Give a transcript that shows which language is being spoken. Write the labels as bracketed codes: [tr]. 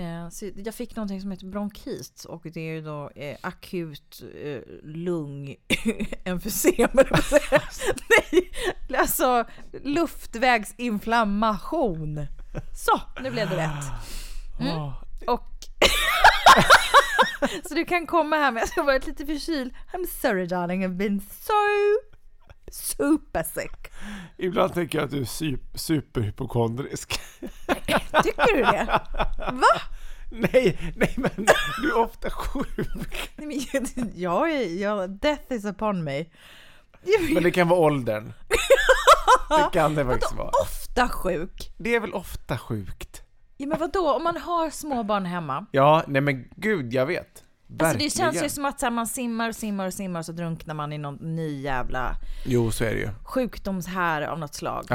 [sv] Så jag fick någonting som heter bronkit och det är ju då akut lungemfysem. Nej, alltså luftvägsinflammation. Så, nu blev det rätt. Och så du kan komma här, men jag har varit lite förkyld. [en] I'm sorry darling, I've been so super sick. [sv] Ibland tänker jag att du är superhypokondrisk. Tycker du det? Va? Nej, nej, men du är ofta sjuk. Nej, men jag [en] death is upon me. [sv] Men det kan vara åldern. Det kan det faktiskt vara. Ofta sjuk. Det är väl ofta sjukt. Ja, men vadå? Om man har småbarn hemma. Ja, nej men gud, jag vet. Alltså det känns ju som att man simmar och så drunknar man i någon ny jävla sjukdomshär av något slag.